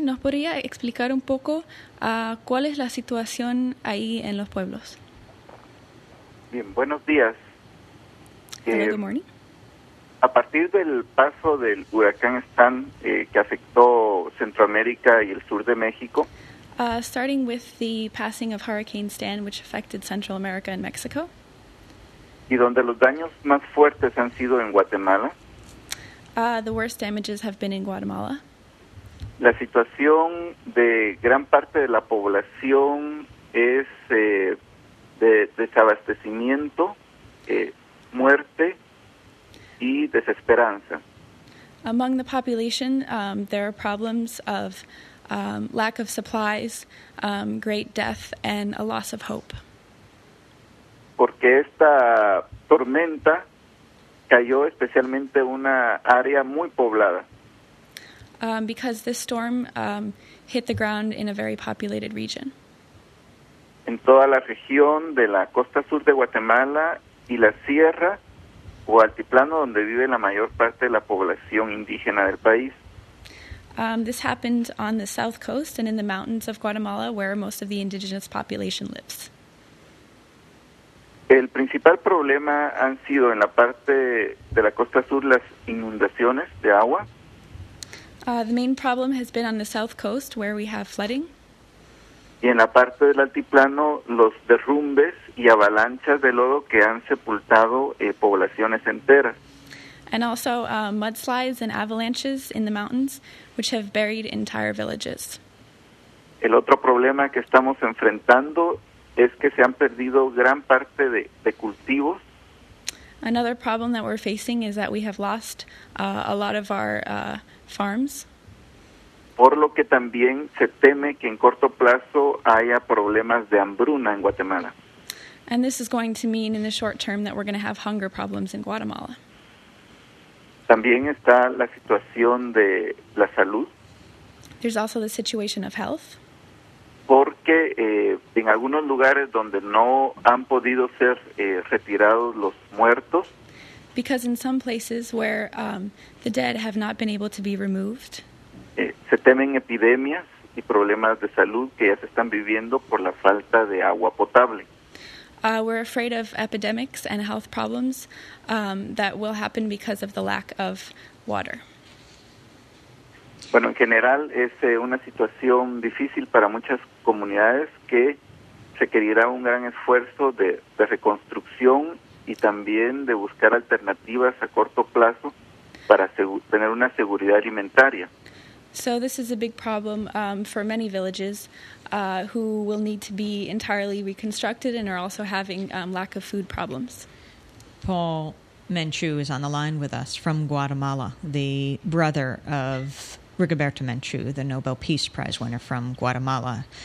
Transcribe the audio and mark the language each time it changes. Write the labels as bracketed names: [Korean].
[Spanish] ¿Nos podría explicar un poco cuál es la situación ahí en los pueblos? Bien, buenos días. [English] Hello, good morning. [Spanish] A partir del paso del huracán Stan que afectó Centroamérica y el sur de México. [English] Starting with the passing of Hurricane Stan, which affected Central America and Mexico. [Spanish] Y donde los daños más fuertes han sido en Guatemala. [English] The worst damages have been in Guatemala. [Spanish] La situación de gran parte de la población es de desabastecimiento, muerte y desesperanza. [English] Among the population, there are problems of lack of supplies, great death, and a loss of hope. [Spanish] Porque esta tormenta cayó especialmente en una área muy poblada. [English] Because this storm hit the ground in a very populated region. [Spanish] En toda la región de la costa sur de Guatemala y la sierra o altiplano donde vive la mayor parte de la población indígena del país. [English] This happened on the south coast and in the mountains of Guatemala where most of the indigenous population lives. [Spanish] El principal problema han sido en la parte de la costa sur las inundaciones de agua. [English] The main problem has been on the south coast, where we have flooding. [Spanish] Y en la parte del altiplano, los derrumbes y avalanchas de lodo que han sepultado poblaciones enteras. [English] And also mudslides and avalanches in the mountains, which have buried entire villages. [Spanish] El otro problema que estamos enfrentando es que se han perdido gran parte de cultivos. [English] Another problem that we're facing is that we have lost a lot of our farms. [Spanish] Por lo que también se teme que en corto plazo haya problemas de hambruna en Guatemala. [English] And this is going to mean in the short term that we're going to have hunger problems in Guatemala. [Spanish] También está la situación de la salud. [English] There's also the situation of health. [Spanish] Porque en algunos lugares donde no han podido ser retirados los muertos. [English] Because in some places where the dead have not been able to be removed. [Spanish] Se temen epidemias y problemas de salud que ya se están viviendo por la falta de agua potable. [English] We're afraid of epidemics and health problems that will happen because of the lack of water. [Spanish] Bueno, en general es una situación difícil para muchas comunidades que requerirá un gran esfuerzo de reconstrucción y también de buscar alternativas a corto plazo para tener una seguridad alimentaria. [English] So this is a big problem for many villages who will need to be entirely reconstructed and are also having lack of food problems. Paul Menchu is on the line with us from Guatemala, the brother of Rigoberta Menchú, the Nobel Peace Prize winner from Guatemala.